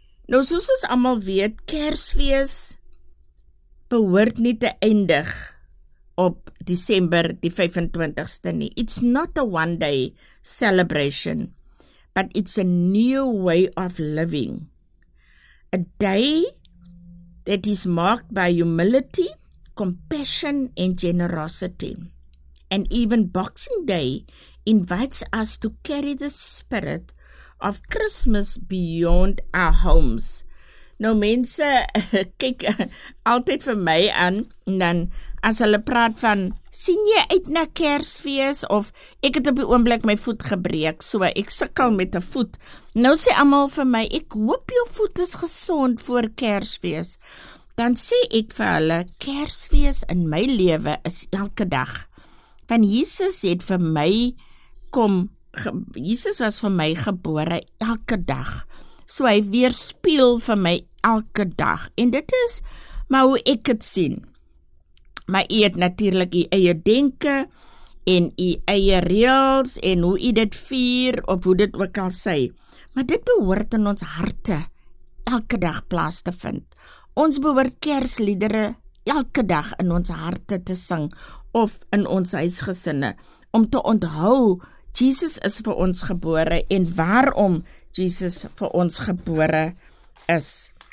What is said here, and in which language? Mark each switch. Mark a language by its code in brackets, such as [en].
[af] Nou, soos ons allemaal weet, Kersfees behoort nie te eindig op December die 25ste nie. [en] It's not a one-day celebration, but it's a new way of living. A day that is marked by humility, compassion and generosity. And even Boxing Day invites us to carry the spirit of Christmas beyond our homes. [af] Nou mense, kyk altyd vir my aan, en dan as hulle praat van, sien jy uit na Kersfees, of ek het op die oomblik my voet gebreek, so ek sukkel met 'n voet. Nou sê almal vir my, ek hoop jou voet is gesond voor Kersfees. Dan sê ek vir hulle, Kersfees in my lewe is elke dag. Want Jesus het vir my kom, Jesus was vir my gebore elke dag. So hy weerspieël vir my elke dag. En dit is maar hoe ek het sien. Maar jy het natuurlijk jy eie denke en jy eie reels en hoe jy dit vier of hoe dit ook al sê. Maar dit behoort in ons harte elke dag plaas te vind. Ons behoort kersliedere elke dag in ons harte te sing of in ons huisgesinne om te onthou Jesus is vir ons gebore en waarom Jesus vir ons gebore is.